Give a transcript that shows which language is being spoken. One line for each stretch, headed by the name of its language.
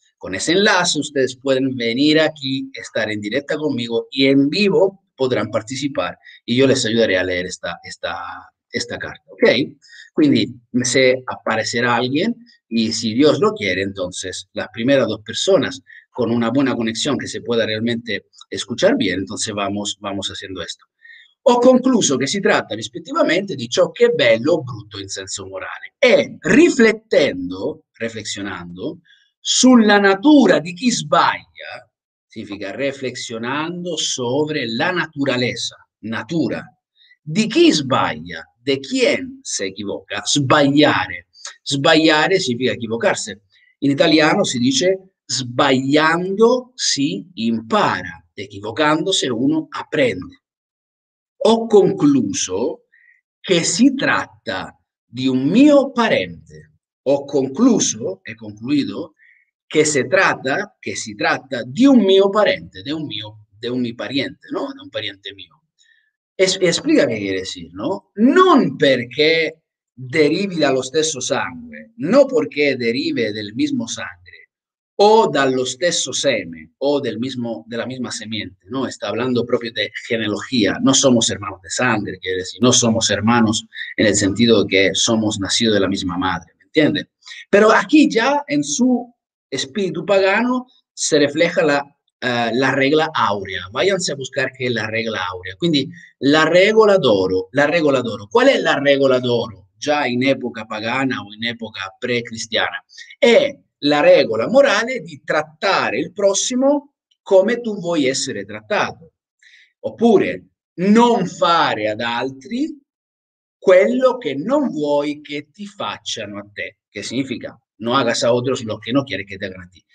Spanish: Con ese enlace ustedes pueden venir aquí, estar en directa conmigo y en vivo podrán participar y yo les ayudaré a leer esta carta, ¿ok? Quindi se aparecerá alguien y si Dios lo quiere, entonces las primeras dos personas con una buena conexión que se pueda realmente escuchar bien, entonces vamos haciendo esto.
Italian: Ho concluso che si tratta rispettivamente di ciò che è bello o brutto in senso morale. E riflettendo, reflexionando, sulla natura di chi sbaglia, significa
Spanish: reflexionando sobre la naturaleza,
Italian: natura, di chi sbaglia,
Spanish: de quién se equivoca,
Italian: sbagliare. Sbagliare significa equivocarsi. In italiano si dice sbagliando si impara, equivocandosi uno apprende. Ho concluso che si tratta di un mio parente. Ho concluso e concluido che si tratta di un mio parente, di un mio parente, no? Di un parente mio. Esplica che vuol dire, no? Non perché derivi dallo stesso sangue, non perché
Spanish: derive del mismo sangue,
Italian: o dallo stesso seme,
Spanish: o della misma semiente,
Italian: no? Sta
Spanish: hablando
Italian: proprio di genealogia.
Spanish: No somos hermanos de sangre, quiere decir, no somos hermanos en el sentido de que somos nacidos de la misma madre, ¿me entiende? Pero aquí ya, en su espíritu pagano, se refleja la regla áurea. Váyanse a buscar qué es la regla áurea.
Italian: Quindi, la regola d'oro, la regola d'oro.
Spanish: ¿Cuál es la regola d'oro, ya en época pagana o en época precristiana?
Italian: La regola morale di trattare il prossimo come tu vuoi essere trattato. Oppure non fare ad altri quello che non vuoi che ti facciano a te, che significa
Spanish: no hagas a otros lo que no quieres que te hagan a ti.